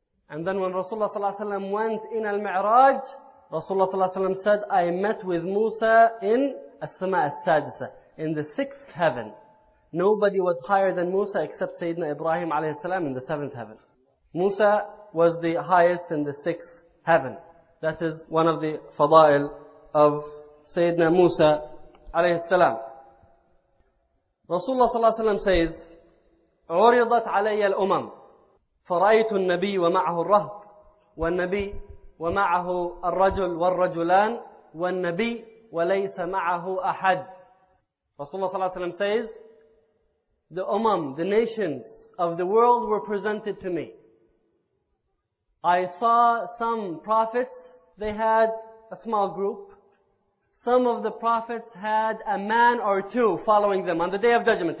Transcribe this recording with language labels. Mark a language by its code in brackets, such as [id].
[en] And then when Rasulullah ﷺ went in Al-Mi'raj, Rasulullah ﷺ said, I met with Musa in As-Sama As-Sadisa, in the sixth heaven. Nobody was higher than Musa except Sayyidina Ibrahim alayhi salam in the seventh heaven. Musa was the highest in the sixth heaven. That is one of the fada'il of Sayyidina Musa عليه السلام. [ar] رسول الله صلى الله عليه وسلم [en] says, [ar] عرضت علي الأمم فرأيت النبي ومعه الرهط والنبي ومعه الرجل والرجلان والنبي وليس معه أحد. رسول الله صلى الله عليه وسلم [en] says, the umam, the nations of the world were presented to me. I saw some prophets, they had a small group. Some of the prophets had a man or two following them on the day of judgment.